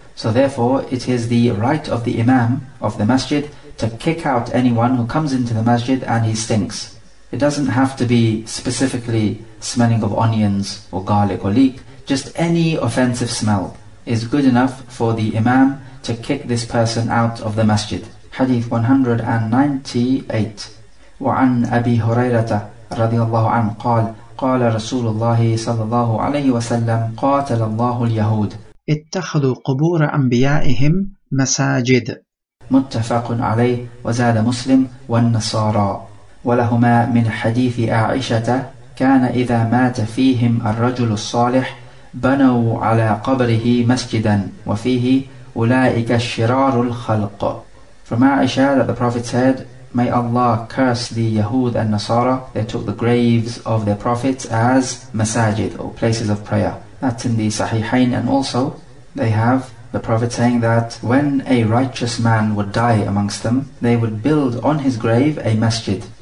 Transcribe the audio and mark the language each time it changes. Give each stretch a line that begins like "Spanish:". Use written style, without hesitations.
English: So therefore, it is the right of the Imam of the Masjid to kick out anyone who comes into the Masjid and he stinks. It doesn't have to be specifically smelling of onions or garlic or leek. Just any offensive smell is good enough for the Imam to kick this person out of the Masjid. Hadith 198.
Arabic: وعن أبي هريرة رضي الله عنه قال قال رسول الله صلى الله عليه وسلم قاتل الله اليهود اتخذوا قبور أنبيائهم مساجد. متفق عليه وزاد مسلم والنصارى. ولهما من حديث عائشة كان إذا مات فيهم الرجل الصالح بنوا على قبره مسجدا وفيه أولئك الشرار الخلق.
English: From Aisha that the Prophet said, may Allah curse the Yahud and Nasara. They took the graves of their prophets as masajid, or places of prayer. That's in the Sahihain. And also, they have the Prophet saying that when a righteous man would die amongst them, they would build on his grave a masjid.